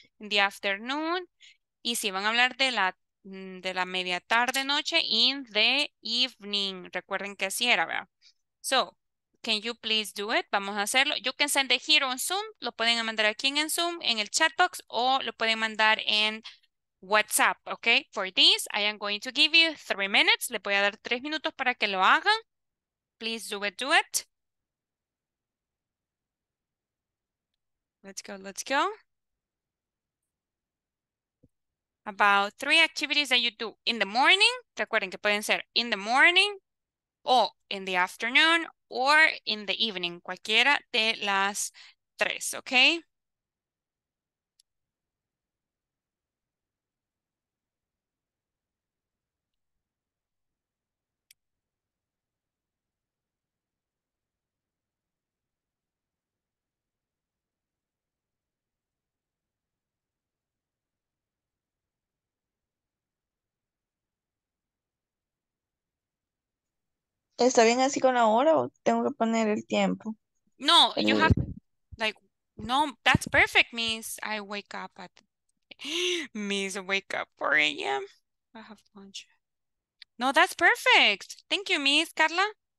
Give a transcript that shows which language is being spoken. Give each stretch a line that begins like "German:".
English: In the afternoon.
Spanish: Y si van a hablar de la media tarde noche,
English: in the evening.
Spanish: Recuerden que así era, ¿verdad?
English: So, can you please do it?
Spanish: Vamos a hacerlo.
English: You can send it here on Zoom.
Spanish: Lo pueden mandar aquí en Zoom, en el chat box, o lo pueden mandar en WhatsApp, okay?
English: For this, I am going to give you 3 minutes.
Spanish: Le voy a dar 3 minutos para que lo hagan.
English: Please do it, do it. Let's go, let's go. About 3 activities that you do in the morning.
Spanish: Recuerden que pueden ser
English: in the morning, o in the afternoon, or in the evening.
Spanish: Cualquiera de las tres, okay? ¿Está bien así con la hora o tengo que poner el tiempo?
English: No, you have, like, no, that's perfect, Miss. I wake up at, Miss, wake up 4 a.m. I have lunch. No, that's perfect. Thank you, Miss Carla.